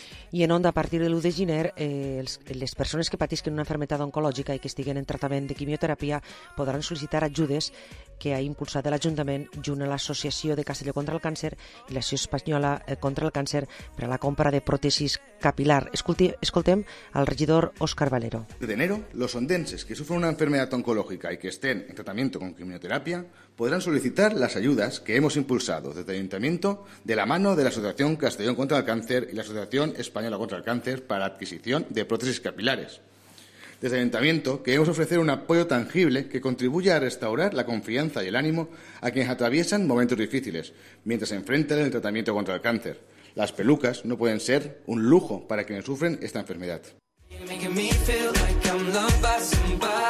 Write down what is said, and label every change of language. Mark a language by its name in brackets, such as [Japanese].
[Catalan] I en Onda, a partir de l'1 de gener, les persones que patisquen una malaltia oncològica i que estiguen en tractament de quimioteràpia podran sol·licitar ajudes que ha impulsat l'Ajuntament junt a l'Associació de Castelló contra el Càncer i l'Associació Espanyola contra el Càncer per a la compra de pròtesis capilar. Escoltem al regidor Òscar Valero. [Spanish] De enero, los ondenses que sufren una enfermedad oncológica y que estén en tratamiento con quimioterapia podrán solicitar las ayudas que hemos impulsado desde el Ayuntamiento de la mano de la Asociación Castellón contra el Cáncer y la Asociación Española contra el Cáncer para adquisición de prótesis capilares. Desde el Ayuntamiento queremos ofrecer un apoyo tangible que contribuya a restaurar la confianza y el ánimo a quienes atraviesan momentos difíciles mientras se enfrentan al tratamiento contra el cáncer. Las pelucas no pueden ser un lujo para quienes sufren esta enfermedad. [English] You're making me feel like I'm loved by somebody.